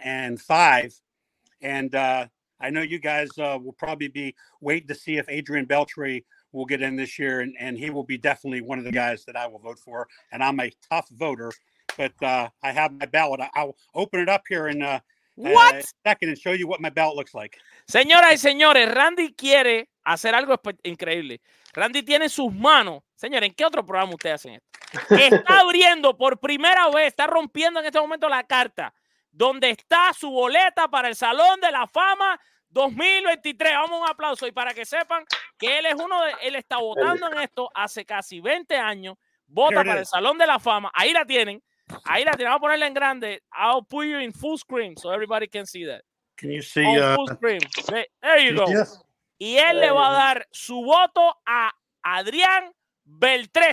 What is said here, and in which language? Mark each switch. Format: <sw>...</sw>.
<en>And I know you guys will probably be waiting to see if Adrian Beltre will get in this year. And he will be definitely one of the guys that I will vote for. And I'm a tough voter. But I have my ballot. I'll open it up here in a second and show you what my ballot looks like.</en> <es>Señoras y señores, Randy quiere hacer algo increíble. Randy tiene sus manos. Señores, ¿en qué otro programa ustedes hacen esto? Está abriendo por primera vez, está rompiendo en este momento la carta donde está su boleta para el Salón de la Fama 2023. Vamos, un aplauso. Y para que sepan que él es uno de... Él está votando en esto hace casi 20 años. Vota para el Salón de la Fama. Ahí la tienen. Ahí la tenemos, ponerla en grande.</es> <en>I'll put you in full screen so everybody can see that. Can you see? On full screen. There you go.</en> <es>Y él le va a dar su voto a Adrián Beltré.</es>